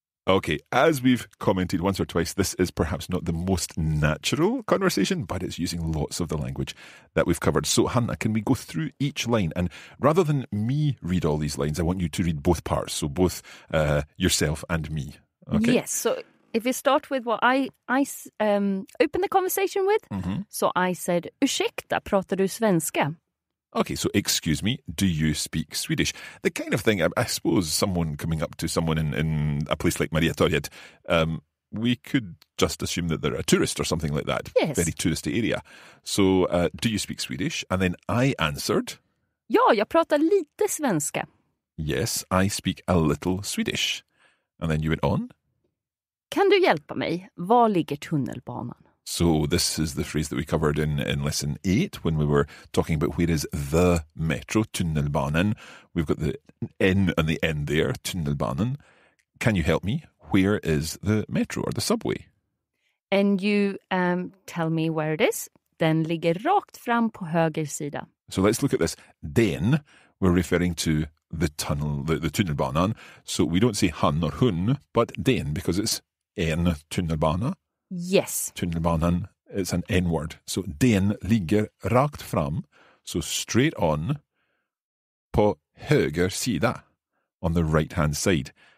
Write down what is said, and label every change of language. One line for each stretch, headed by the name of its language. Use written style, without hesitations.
English: Okay, as we've commented once or twice, this is perhaps not the most natural conversation, but it's using lots of the language that we've covered. So, Hanna, can we go through each line? And rather than me read all these lines, I want you to read both parts, so both yourself and me. Okay? Yes, so if you start with what I opened the conversation with, mm-hmm. So I said,
Swedish: ursäkta, pratar du svenska?
English: Okay, so excuse me, do you speak Swedish? The kind of thing, I suppose, someone coming up to someone in a place like Mariatorget, we could just assume that they're a tourist or something like that. Yes. Very touristy area. So, do you speak Swedish? And then I answered...
Swedish: Ja, jag pratar lite svenska.
English: Yes, I speak a little Swedish. And then you went on.
Swedish: Kan du hjälpa mig? Var ligger tunnelbanan?
English: So this is the phrase that we covered in lesson 8 when we were talking about where is the metro, tunnelbanan. We've got the N and the N there, tunnelbanan. Can you help me? Where is the metro or the subway? And you tell me where it is.
Swedish: Den ligger rakt fram på höger sida.
English: So let's look at this. Den, we're referring to the tunnel, the tunnelbanan. So we don't say han or hun, but den because it's en tunnelbana. Yes. Tunnelbanan, it's an N-word. So
Swedish: den ligger rakt fram,
English: so straight on,
Swedish: på höger sida,
English: on the right-hand side.